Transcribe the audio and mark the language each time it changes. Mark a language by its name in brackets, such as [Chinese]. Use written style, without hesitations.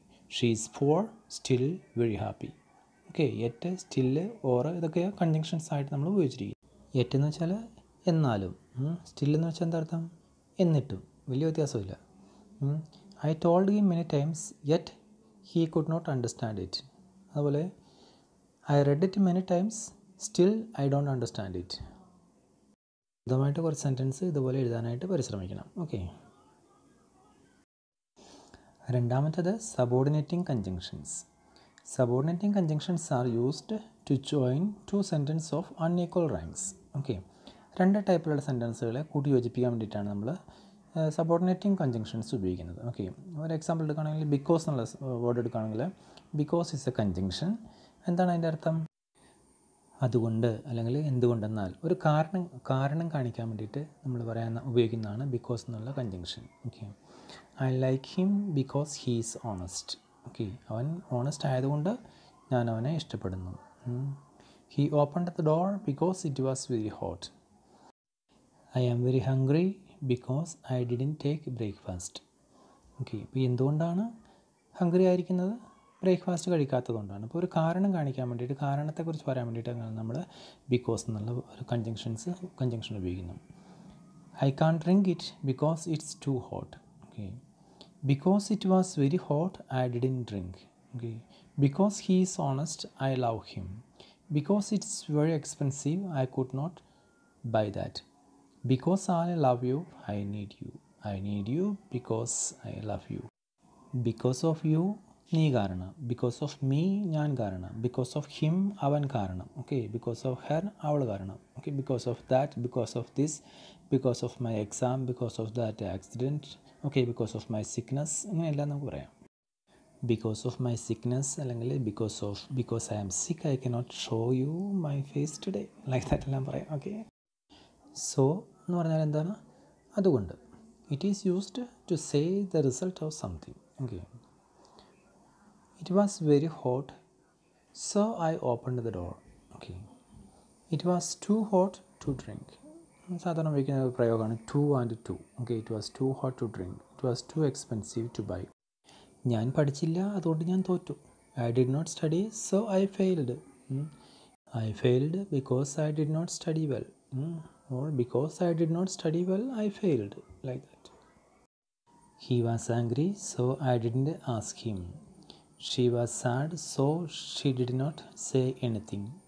[English] She is poor still very happy. [Malayalam] Okay, yet still or ഇതൊക്കെ conjunctions ആയിട്ട് നമ്മൾ ഉപയോഗിച്ചിരിക്കും. Yet എന്ന് വെച്ചാൽ എന്നാലും, still എന്ന് വെച്ചാൽ എന്താർത്ഥം? എന്നിട്ടും. വലിയ വ്യത്യാസമില്ല. [English] I told him many times, yet he could not understand it. [Malayalam] അതുപോലെ [English] I read it many times, still I don't understand it. [Malayalam] ഇതുമായിട്ട് കുറച്ച് സെൻറ്റൻസ് ഇതുപോലെ എഴുതാനായിട്ട് പരിശ്രമിക്കണം. ഓക്കെ, രണ്ടാമത്തേത് subordinating conjunctions. [English] Subordinating conjunctions are used to join two sentence of unequal ranks. [Malayalam] Okay, രണ്ട് ടൈപ്പിലുള്ള സെൻറ്റൻസുകളെ കൂട്ടിയോജിപ്പിക്കാൻ വേണ്ടിയിട്ടാണ് നമ്മൾ സബോർഡിനേറ്റിംഗ് കൺജങ്ഷൻസ് ഉപയോഗിക്കുന്നത്. ഓക്കെ, ഒരു എക്സാമ്പിൾ എടുക്കുകയാണെങ്കിൽ ബിക്കോസ് എന്നുള്ള വേർഡ് എടുക്കുകയാണെങ്കിൽ [English] Because is a conjunction. [Malayalam] എന്താണ് അതിൻ്റെ അർത്ഥം? അതുകൊണ്ട് അല്ലെങ്കിൽ എന്തുകൊണ്ടെന്നാൽ, ഒരു കാരണം കാണിക്കാൻ വേണ്ടിയിട്ട് നമ്മൾ പറയുന്ന ഉപയോഗിക്കുന്നതാണ് ബിക്കോസ് എന്നുള്ള conjunction. [English] Okay, I like him because he is honest. [Malayalam] Okay, അവൻ ഓണസ്റ്റ് ആയതുകൊണ്ട് ഞാൻ അവനെ ഇഷ്ടപ്പെടുന്നു. [English] He opened the door because it was very hot. I am very hungry because I didn't take breakfast. [Malayalam] Okay, ഇപ്പോൾ എന്തുകൊണ്ടാണ് Hungary ആയിരിക്കുന്നത്? Breakfast കഴിക്കാത്തതുകൊണ്ടാണ്. അപ്പോൾ ഒരു കാരണം കാണിക്കാൻ വേണ്ടിയിട്ട്, കാരണത്തെക്കുറിച്ച് പറയാൻ വേണ്ടിയിട്ടാണ് നമ്മൾ ബിക്കോസ് എന്നുള്ള ഒരു കൺജങ്ഷൻ ഉപയോഗിക്കുന്നത്. [English] I can drink it because it's too hot. Okay, because it was very hot I didn't drink. Okay, because he is honest I love him. Because it's very expensive I could not buy that. Because I love you, I need you. I need you because I love you. Because of you, [Malayalam] നീ കാരണം. [English] Because of me, [Malayalam] ഞാൻ കാരണം. [English] Because of him, [Malayalam] അവൻ കാരണം. [English] okay, because of her, [Malayalam] അവൾ കാരണം. [English] okay, because of that, because of this, because of my exam, because of that accident, okay, because of my sickness, [Malayalam] ഇങ്ങനെയെല്ലാം നമുക്ക് പറയാം. [English] Because of my sickness, [Malayalam] അല്ലെങ്കിൽ [English] because I am sick, I cannot show you my face today. Like that [Malayalam] എല്ലാം പറയാം. Okay, so എന്ന് പറഞ്ഞാൽ എന്താണ്? അതുകൊണ്ട്. [English] It is used to say the result of something. Okay, it was very hot so I opened the door. Okay, it was too hot to drink. [Malayalam] സാധാരണ ഉപയോഗിക്കുന്ന ഒരു പ്രയോഗമാണ് [English] Too and to. Okay, it was too hot to drink, it was too expensive to buy. [Malayalam] ഞാൻ പഠിച്ചില്ല അതുകൊണ്ട് ഞാൻ തോറ്റു. [English] I did not study so I failed. I failed because I did not study well. Or because I did not study well, I failed. Like that. He was angry, so I didn't ask him. She was sad, so she did not say anything.